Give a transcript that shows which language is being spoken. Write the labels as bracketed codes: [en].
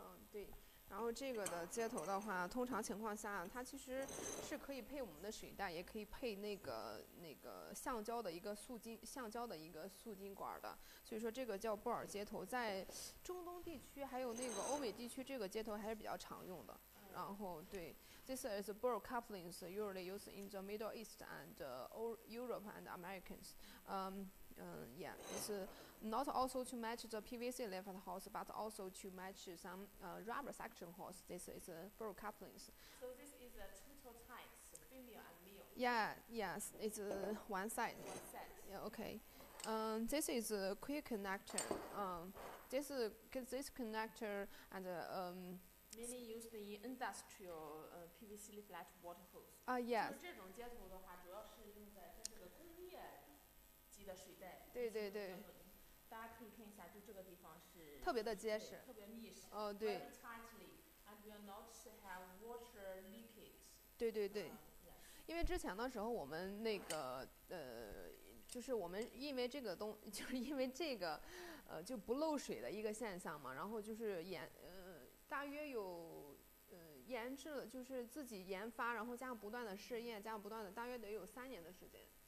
[zh] 对，然后这个的接头的话，通常情况下它其实是可以配我们的水袋，也可以配那个橡胶的一个塑金管的。所以说这个叫布尔接头，在中东地区还有那个欧美地区，这个接头还是比较常用的。然后对 [en] ，this is bore couplings usually used in the Middle East and Europe and Americans. Yeah, it's not also to match the PVC lay flat hose, but also to match some rubber suction hose. This is a bore couplings. So this is a two types, female and male. Yeah, yes, it's one side. One side. Yeah, okay. This is a quick connector. This connector and mainly used in industrial PVC lay flat water hose. Ah, yes. [zh] 就是这种接头的话，主要是用在这个工业级的水袋。对对对。大家可以看一下，就这个地方是特别的结实，特别密实。哦，对。 [en] Very tightly, and will not have water leakage. [zh] 对对对。 [en] Yes. [zh] 因为之前的时候，我们那个就是我们因为这个东，就是因为这个，就不漏水的一个现象嘛，然后就是大约有研制了，就是自己研发，然后加上不断的试验，加上不断的，大约得有3年的时间。